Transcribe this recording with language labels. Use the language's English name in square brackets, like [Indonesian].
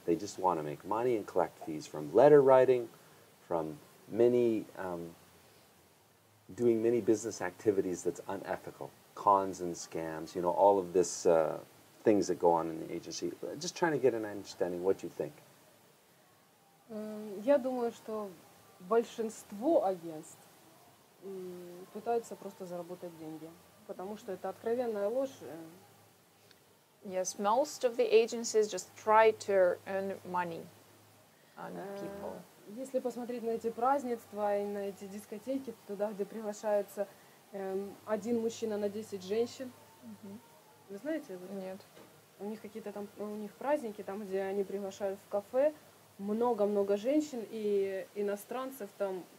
[English] They just want to make money and collect fees from letter writing, from many doing many business activities that's unethical, cons and scams, you know, all of this things that go on in the agency. Just trying to get an understanding what you think. [Russian] Я думаю, что большинство агентств пытаются просто заработать деньги, потому что это откровенная ложь. [English] Yes, most of the agencies just try to earn money on people. [Russian] Если посмотреть на эти празднества и на эти дискотеки, туда, где приглашается один мужчина на 10 женщин, вы знаете об этом? Нет. У них какие-то там, у них праздники, там, где они приглашают в кафе много-много женщин и иностранцев там.